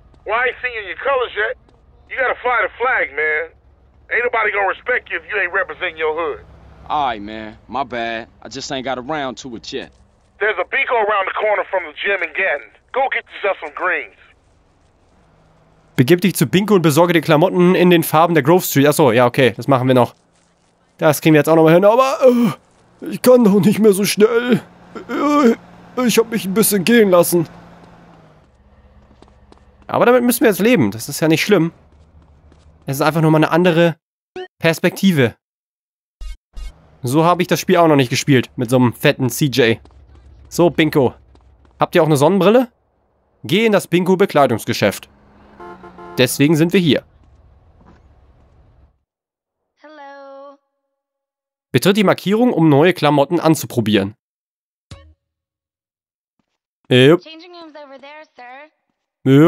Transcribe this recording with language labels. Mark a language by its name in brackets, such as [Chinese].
[English] Well, I ain't seen you in your colors yet. You gotta fly the flag, man. Ain't nobody gonna respect you if you ain't representing your hood. All right, man. My bad. I just ain't got around to it yet. There's a Beko around the corner from the gym in Gatton. Go get yourself some greens. [German] Begib dich zu Beko und besorge dir Klamotten in den Farben der Grove Street. Achso, ja, okay. Das machen wir noch. Das kriegen wir jetzt auch nochmal hin. Aber ich kann doch nicht mehr so schnell. Ich hab mich ein bisschen gehen lassen. Aber damit müssen wir jetzt leben. Das ist ja nicht schlimm. Es ist einfach nur mal eine andere Perspektive. So habe ich das Spiel auch noch nicht gespielt. Mit so einem fetten CJ. So, Beko. Habt ihr auch eine Sonnenbrille? Geh in das Beko-Bekleidungsgeschäft. Deswegen sind wir hier. [English] Hello. [German] Betritt die Markierung, um neue Klamotten anzuprobieren. [English] Yep. Changing rooms over there, sir.